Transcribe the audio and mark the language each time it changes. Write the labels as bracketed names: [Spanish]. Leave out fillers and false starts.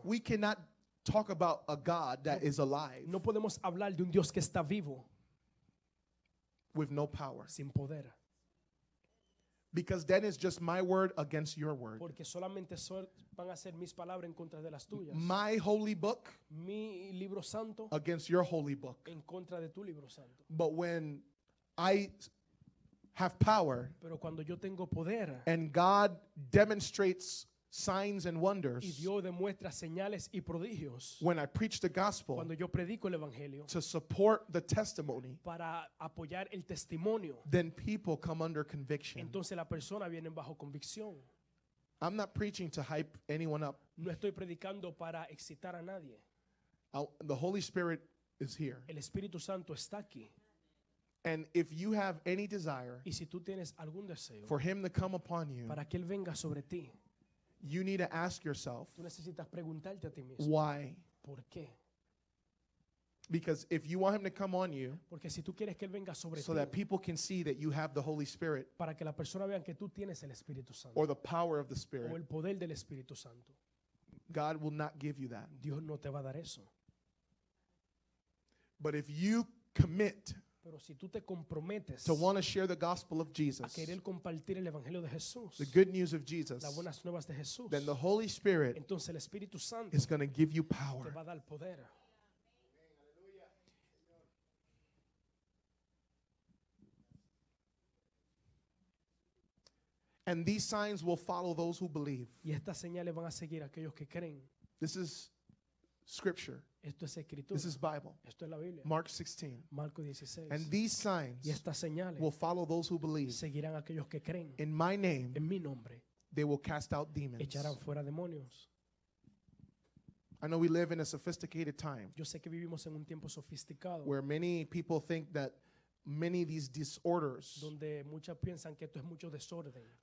[English] We cannot talk about a God that is alive. [Spanish] No podemos hablar de un Dios que está vivo. [English] With no power. [Spanish] Sin poder. [English] Because then it's just my word against your word. [Spanish] Porque solamente van a ser mis palabras en contra de las tuyas. [English] My holy book. [Spanish] Mi libro santo. [English] Against your holy book. [Spanish] En contra de tu libro santo. [English] But when I have power. [Spanish] Pero cuando yo tengo poder. [English] And God demonstrates signs and wonders. [Spanish] Y Dios demuestra señales y prodigios. [English] When I preach the gospel. [Spanish] Cuando yo predico el evangelio. [English] To support the testimony. [Spanish] Para apoyar el testimonio. [English] Then people come under conviction. [Spanish] Entonces la persona viene bajo convicción. [English] I'm not preaching to hype anyone up. [Spanish] No estoy predicando para excitar a nadie. [English] The Holy Spirit is here. [Spanish] El Espíritu Santo está aquí. [English] And if you have any desire. [Spanish] Y si tú tienes algún deseo. [English] For him to come upon you. [Spanish] Para que él venga sobre ti. [English] You need to ask yourself. [Spanish] Tú necesitas preguntarte a ti mismo. [English] Why? [Spanish] ¿Por qué? [English] Because if you want him to come on you. [Spanish] Porque si tú quieres que él venga sobre ti. [English] So that people can see that you have the Holy Spirit. [Spanish] Para que la persona vean que tú tienes el Espíritu Santo. [English] Or the power of the Spirit. [Spanish] O el poder del Espíritu Santo. [English] God will not give you that. [Spanish] Dios no te va a dar eso. [English] But if you commit. [Spanish] Pero si tú te comprometes [English] to want to share the gospel of Jesus, [Spanish] a querer compartir el evangelio de Jesús, [English] the good news of Jesus, [Spanish] las buenas nuevas de Jesús, [English] then the Holy Spirit, [Spanish] entonces el Espíritu Santo, [English] is going to give you power. [Spanish] Te va a dar poder. [English] And these signs will follow those who believe. [Spanish] Y estas señales van a seguir aquellos que creen. [English] This is scripture. [Spanish] Esto es escritura. [English] This is Bible. [Spanish] Esto es la Biblia. [English] Mark 16. [Spanish] Marco 16. [English] And these signs [Spanish] y estas señales [English] will follow those who believe. [Spanish] Seguirán aquellos que creen. [English] In my name, [Spanish] en mi nombre, [English] they will cast out demons. [Spanish] Echarán fuera demonios. [English] I know we live in a sophisticated time. [Spanish] Yo sé que vivimos en un tiempo sofisticado. [English] Where many people think that many of these disorders [Spanish] donde muchas piensan que esto es mucho desorden,